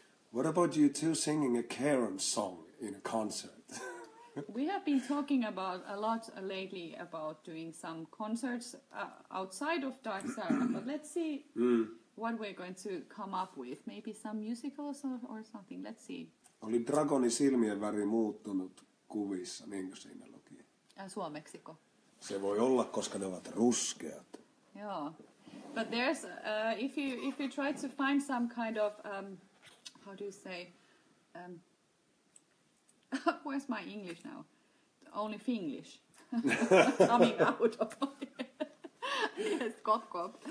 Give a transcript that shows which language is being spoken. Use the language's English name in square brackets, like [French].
[English] What about you two singing a Karen song in a concert? We have been talking about a lot lately about doing some concerts outside of Dark Sarah, but let's see what we're going to come up with. Maybe some musicals or something. Let's see. [Finnish] Oli dragoni silmien väri muuttunut kuvissa, niin kuin siinä luki. Suomeksiko? Se voi olla, koska ne ovat ruskeat. Joo. [English] But there's, if you try to find some kind of, how do you say, where's my English now? Only Finglish. Coming out of yes, cough.